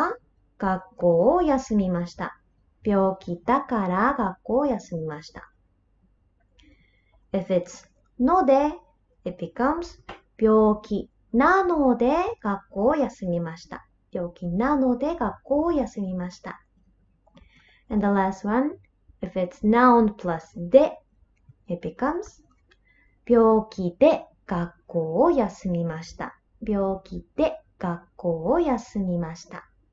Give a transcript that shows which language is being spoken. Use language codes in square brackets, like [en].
[ja] 病気だから学校を休みました.病気だから学校を休みました. [en] If it's ので, it becomes [ja] 病気なので学校を休みました. 病気なので学校を休みました. [en] And the last one, if it's noun plus で, it becomes [ja] 病気で学校を休みました. 病気で学校を休みました.